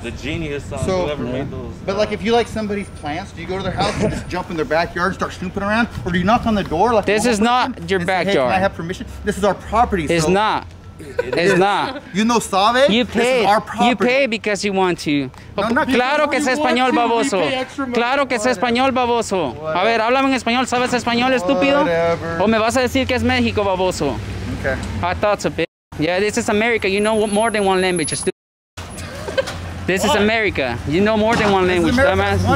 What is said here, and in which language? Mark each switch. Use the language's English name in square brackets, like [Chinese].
[English] The genius on whoever made those. But like if you like somebody's plants, do you go to their house and just jump in their backyard and start snooping around? Or do you knock on the door like this is not your backyard. Hey, can I have permission? This is our property. It's not. It's not. You know, sabe? You pay. This is our property. You pay because you want to. No, [Spanish] claro que es español, baboso. Claro que es español, baboso. A ver, háblame en español. ¿Sabes español, estúpido? O me vas a decir que es México, baboso. [English] Okay. I thought so, bitch. Yeah, this is America. You know more than one language, stupid. This is America. You know more than one language, dumbass.